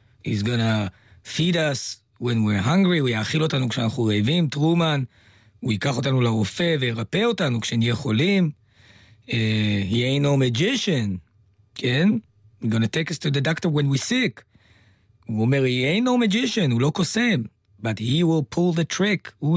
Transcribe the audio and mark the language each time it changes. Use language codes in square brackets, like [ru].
[en] He's gonna feed us when we're hungry, [he] הוא יאכיל אותנו כשאנחנו רעבים, טרומן, הוא ייקח אותנו לרופא וירפא אותנו כשנהיה חולים. [en] He ain't no magician, כן? We're gonna take us to the doctor when we're sick. [he] הוא אומר, [en] he ain't no magician, [he] הוא לא קוסם. [en] But he will pull the trick.